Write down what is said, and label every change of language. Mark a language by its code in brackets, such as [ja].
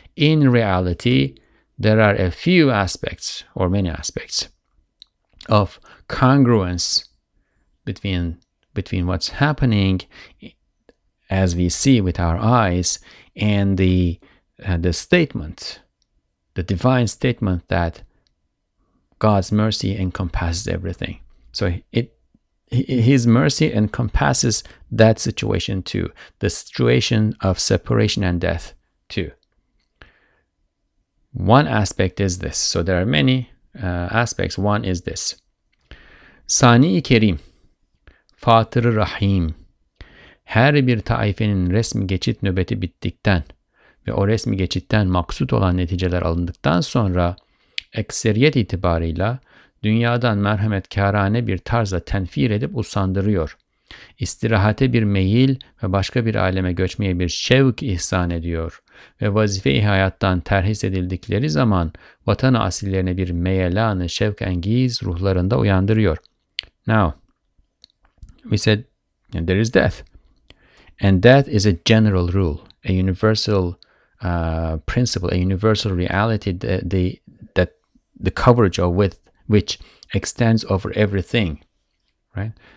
[en] In reality, there are a few aspects or many aspects of congruence between what's happening as we see with our eyes and the statement, the divine statement that God's mercy encompasses everything. So his mercy encompasses that situation too, the situation of separation and death too. One aspect is this. So there are many aspects. One is this. [tr] Sani-i Kerim, Fatır-ı Rahim, her bir taifenin resmi geçit nöbeti bittikten ve o resmi geçitten maksut olan neticeler alındıktan sonra ekseriyet itibarıyla dünyadan merhametkârâne bir tarzla tenfir edip usandırıyor. İstirahate bir meyil ve başka bir aleme göçmeye bir şevk ihsan ediyor. Ve vazife-i hayattan terhis edildikleri zaman vatan asillerine bir meyelan-ı şevk engiz ruhlarında uyandırıyor. [en] Now, we said there is death. And death is a general rule, a universal principle, a universal reality that the coverage of with which extends over everything, right?